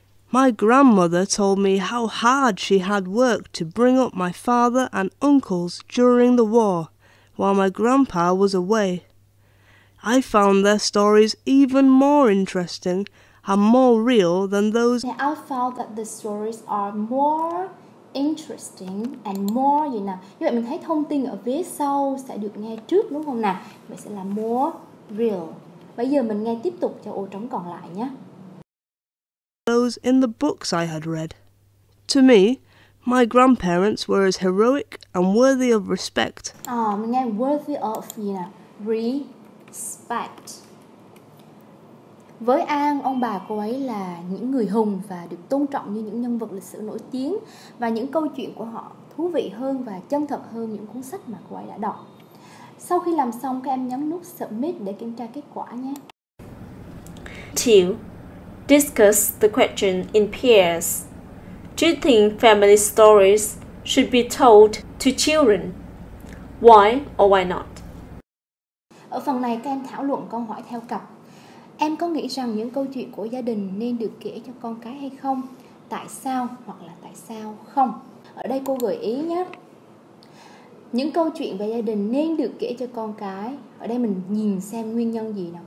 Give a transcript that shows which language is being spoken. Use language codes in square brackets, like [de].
[en] My grandmother told me how hard she had worked to bring up my father and uncles during the war, while my grandpa was away. I found their stories even more interesting are more real than those. Yeah, I found that the stories are more interesting and more, you know. [vi] Như vậy mình thấy thông tin ở phía sau sẽ được nghe trước, đúng không nào? Vậy sẽ là [en] more real. [vi] Bây giờ mình nghe tiếp tục cho ô trống còn lại nhé. [en] Those in the books I had read. To me, my grandparents were as heroic and worthy of respect. [vi] À, mình nghe [en] worthy of, you know, respect. [vi] Với An, ông bà cô ấy là những người hùng và được tôn trọng như những nhân vật lịch sử nổi tiếng, và những câu chuyện của họ thú vị hơn và chân thật hơn những cuốn sách mà cô ấy đã đọc. Sau khi làm xong, các em nhấn nút Submit để kiểm tra kết quả nhé. [en] 2. Discuss the question in pairs. Do you think family stories should be told to children? Why or why not? [vi] Ở phần này, các em thảo luận câu hỏi theo cặp. Em có nghĩ rằng những câu chuyện của gia đình nên được kể cho con cái hay không? Tại sao hoặc là tại sao không? Ở đây cô gợi ý nhé. Những câu chuyện về gia đình nên được kể cho con cái. Ở đây mình nhìn xem nguyên nhân gì nào.